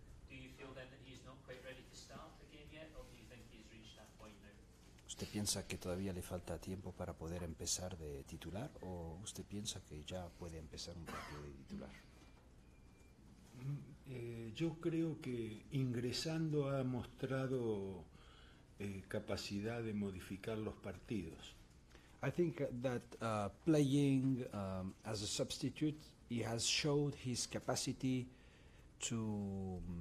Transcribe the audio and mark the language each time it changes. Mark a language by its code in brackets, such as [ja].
[en] Do you feel then that he is not quite ready to start the game yet, or do you think he's reached that point now? [es] ¿Usted piensa que todavía le falta tiempo para poder empezar de titular, o usted piensa que ya puede empezar un partido de titular? Yo creo que ingresando ha mostrado capacidad de modificar los partidos. [en] I think that playing as a substitute, he has showed his capacity to